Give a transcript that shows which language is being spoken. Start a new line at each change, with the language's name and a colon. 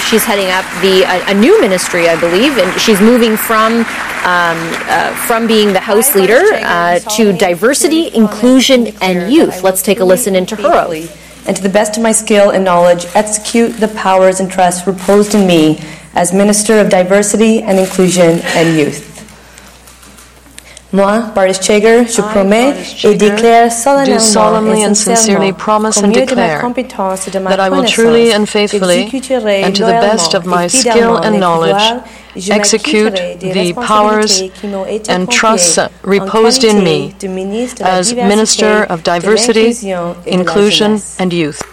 English: She's heading up the a new ministry, I believe, and she's moving from being the House Leader to Diversity, Inclusion, and Youth. Let's take a listen into her oath. And to the best of my skill and knowledge, execute the powers and trusts reposed in me as Minister of Diversity and Inclusion and Youth.
French: Moi, Bardis Chager, je promets et déclare
English: solemnly and sincerely promise and declare that I will truly and faithfully and to the best of my skill and knowledge execute the powers and trusts reposed in me as Minister of Diversity, Inclusion and Youth.